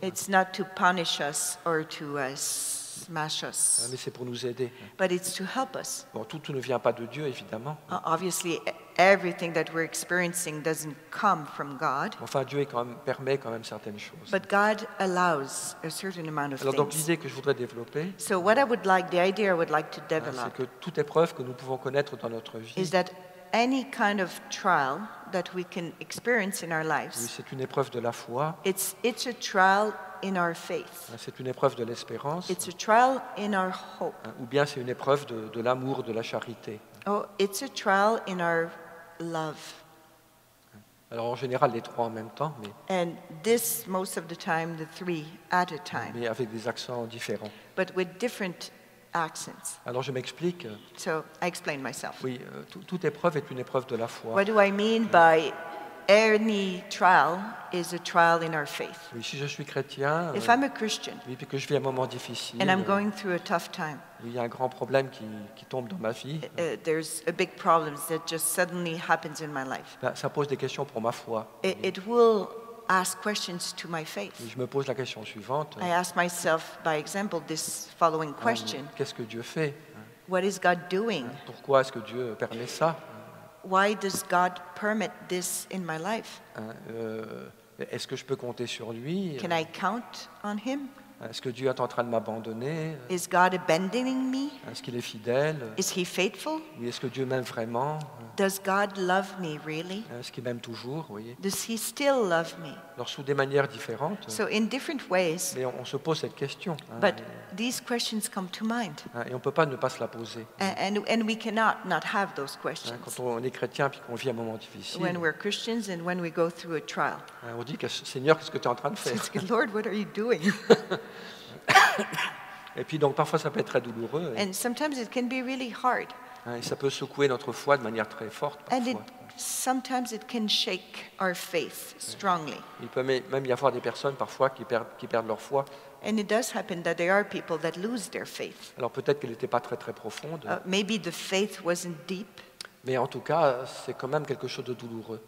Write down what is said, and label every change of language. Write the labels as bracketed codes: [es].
[en] It's not to punish us or to smash us. [fr] Mais c'est pour nous aider. [en] But it's to help us. [fr] Bon, tout, tout ne vient pas de Dieu, évidemment. [en] Obviously, everything that we're experiencing doesn't come from God. [fr] Enfin, Dieu quand même, permet quand même certaines choses. [en] But God allows a certain amount of things. [fr] Alors, donc, l'idée que je voudrais développer. [en] So what I would like, the idea I would like to develop. [fr] C'est que toute épreuve que nous pouvons connaître dans notre vie. [en] Is that any kind of trial that we can experience in our lives? [fr] Oui, c'est une épreuve de la foi. [en] It's a trial in our faith. [fr] C'est une épreuve de l'espérance. [en] It's a trial in our hope. [fr] Ou bien c'est une épreuve de l'amour, de la charité. [en] Oh, it's a trial in our love. [fr] Alors en général les trois en même temps, mais. [en] And this most of the time the three at a time. [fr] Mais avec des accents différents. [en] But with different accents. [fr] Alors je m'explique. [en] So I explain myself. [fr] Oui, toute épreuve est une épreuve de la foi. [en] What do I mean by any trial is a trial in our faith? [fr] Oui, si je suis chrétien. [en] If I'm a Christian. [fr] Oui, puis que je vis un moment difficile. [en] And I'm going through a tough time. [fr] Il y a un grand problème qui tombe dans ma vie. [en] There's a big problem that just suddenly happens in my life. [fr] Ben, ça pose des questions pour ma foi. [en] It will ask questions to my faith. [fr] Je me pose la question suivante. [en] I ask myself, by example, this following question. [fr] Qu'est-ce que Dieu fait? [en] What is God doing? [fr] Pourquoi est-ce que Dieu permet ça? [en] Why does God permit this in my life? [fr] Est-ce que je peux compter sur lui? [en] Can I count on him? [fr] Est-ce que Dieu est en train de m'abandonner? [en] Is God abandoning me? [fr] Est-ce qu'il est fidèle? [en] Is he faithful? [fr] Oui, est-ce que Dieu m'aime vraiment? [en] Does God love me really? [fr] Est-ce qu'il m'aime toujours? Oui. [en] Does he still love me? [fr] Alors, sous des manières différentes. [en] So in different ways. [fr] Mais on se pose cette question. [en] But these questions come to mind. [fr] Et on peut pas ne pas se la poser. [en] And we cannot not have those questions. [fr] Quand on est chrétien puis qu'on vit un moment difficile. [en] When we're Christians and when we go through a trial. [fr] On dit que Seigneur, qu'est-ce que tu es en train de faire? [en] So, Lord, what are you doing? [fr] Et puis donc parfois ça peut être très douloureux. [en] And sometimes it can be really hard. [fr] Et ça peut secouer notre foi de manière très forte parfois. [en] And it, sometimes it can shake our faith strongly. [fr] Il peut même y avoir des personnes parfois qui perdent leur foi. [en] And it does happen that there are people that lose their faith. [fr] Alors peut-être qu'elle n'était pas très très profonde. [en] Maybe the faith wasn't deep. [fr] Mais en tout cas, c'est quand même quelque chose de douloureux.